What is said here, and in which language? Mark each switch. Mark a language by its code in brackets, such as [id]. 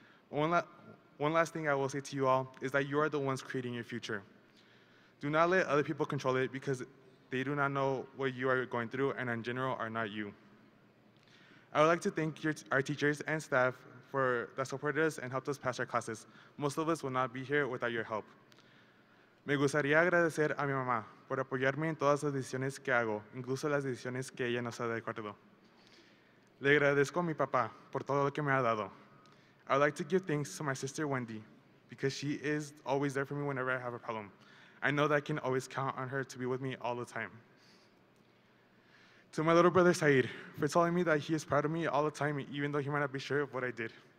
[en] One last thing I will say to you all is that you are the ones creating your future. Do not let other people control it because they do not know what you are going through and in general are not you. I would like to thank our teachers and staff that supported us and helped us pass our classes. Most of us will not be here without your help. [es] Me gustaría agradecer a mi mamá por apoyarme en todas las decisiones que hago, incluso las decisiones que ella no está de acuerdo. Le agradezco a mi papá por todo lo que me ha dado. [en] I would like to give thanks to my sister, Wendy, because she is always there for me whenever I have a problem. I know that I can always count on her to be with me all the time. To my little brother, Saeed, for telling me that he is proud of me all the time, even though he might not be sure of what I did.